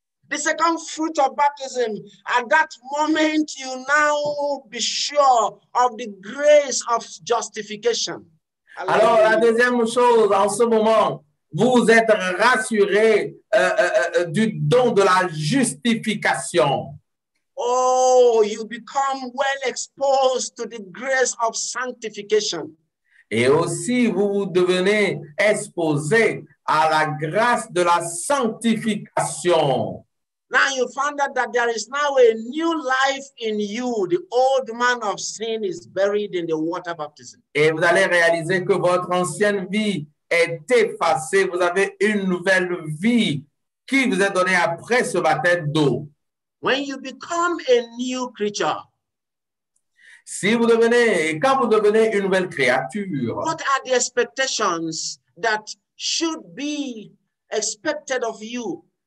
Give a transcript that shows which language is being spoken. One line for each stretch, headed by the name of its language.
English: The second fruit of baptism, at that moment, you now be sure of the grace of justification.
French: Alors, la deuxième chose, en ce moment, vous êtes rassuré du don de la justification.
English: Oh, you become well exposed to the grace of sanctification.
French: Et aussi, vous devenez exposé à la grâce de la sanctification.
English: Now you found out that there is now a new life in you. The old man of sin is buried in the water baptism.
French: Et vous allez réaliser que votre ancienne vie est effacée. Vous avez une nouvelle vie qui vous est donnée après ce baptême d'eau.
English: When you become a new creature,
French: si vous devenez, quand vous devenez une nouvelle créature,
English: what are the expectations that should be expected of you?